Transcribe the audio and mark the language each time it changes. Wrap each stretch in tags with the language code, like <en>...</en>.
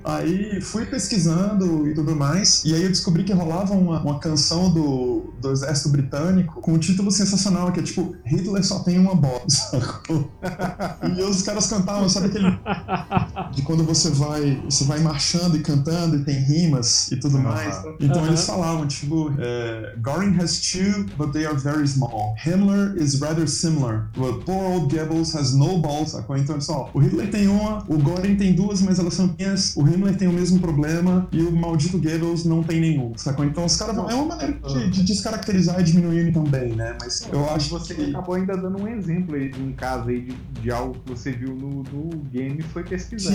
<pt>Aí fui pesquisando e tudo mais, e aí eu descobri que rolava uma canção do exército britânico com um título sensacional, que é tipo, Hitler só tem uma bola, sacou? E os caras cantavam, sabe aquele de quando você vai marchando e cantando e tem rimas e tudo mais. Então eles falavam, tipo,</pt> <en>Goring has two, but they are very small. Himmler is rather similar, but poor old Goebbels has no balls,</en> <pt>sacou? Então, só, o Hitler tem uma, o Goring tem duas, mas elas são pequenas, o Himmler tem o mesmo problema e o maldito Goebbels não tem nenhum, sacou? Então os caras, é uma maneira de descaracterizar e diminuir ele também, né? Mas eu acho que você acabou ainda dando um exemplo aí de um caso aí de algo que você viu no game e foi pesquisando.</pt>